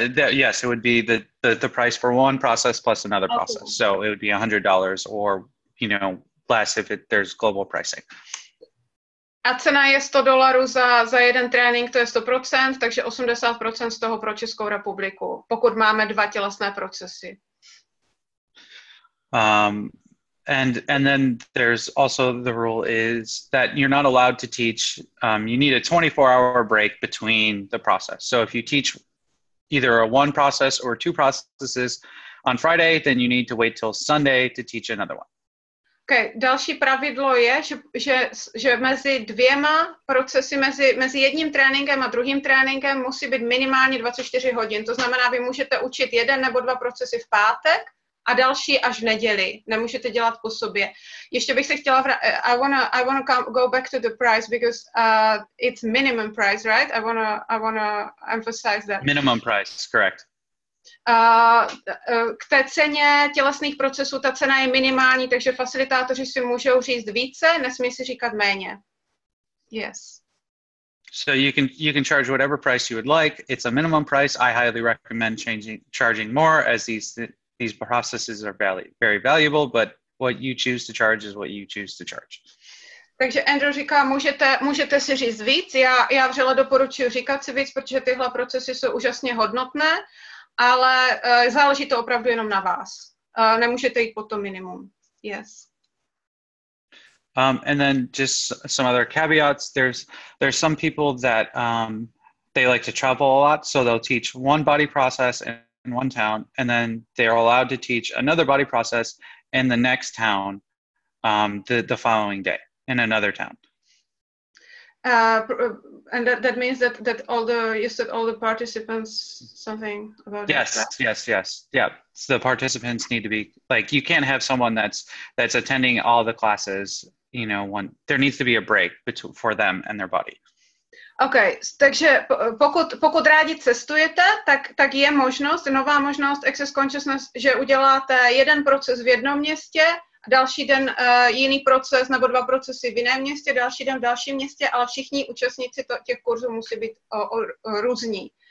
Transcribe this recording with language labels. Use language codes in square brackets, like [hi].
[en] Yes, it would be the price for one process plus another process. So it would be $100 or, you know, less if there's global pricing. [cs] A cena je $100 za jeden trénink, to je 100%, takže 80% z toho pro Českou republiku, pokud máme dva tělesné procesy. [en] And then there's also the rule is that you're not allowed to teach, you need a 24-hour break between the process. So if you teach either a one process or two processes on Friday, then you need to wait till Sunday to teach another one. Okay. [cs] Další pravidlo je, že mezi dvěma procesy, mezi jedním tréninkem a druhým tréninkem musí být minimálně 24 hodin. To znamená, vy můžete učit jeden nebo dva procesy v pátek a další až v neděli. Nemůžete dělat po sobě. Ještě bych se chtěla [en] go back to the price because it's minimum price, right? I wanna emphasize that. Minimum price, correct. [cs] K té ceně tělesných procesů, ta cena je minimální, takže facilitátoři si můžou říct více, nesmí si říkat méně. [en] Yes. So you can charge whatever price you would like. It's a minimum price. I highly recommend charging more as these processes are very valuable, but what you choose to charge is what you choose to charge. [cs] Takže Andrew říká, můžete si říct víc. Já vřele doporučuji říkat si víc, protože tyhle procesy jsou úžasně hodnotné. Ale záleží to opravdu jenom na vás. Nemůžete jít pod to minimum. [en] Yes. And then just some other caveats. There's some people that they like to travel a lot, so they'll teach one body process and in one town, and then they are allowed to teach another body process in the next town, the following day in another town. And that means that all the, you said all the participants, something about it. Yes. Yeah. So the participants need to be, like, you can't have someone that's attending all the classes, you know, one, there needs to be a break between, for them and their body. Okay. [cs] Takže pokud rádi cestujete, tak je možnost, nová možnost Access Consciousness, že uděláte jeden proces v jednom městě, další den jiný proces nebo dva procesy v jiném městě, další den v dalším městě, ale všichni účastníci těch kurzů musí být různí.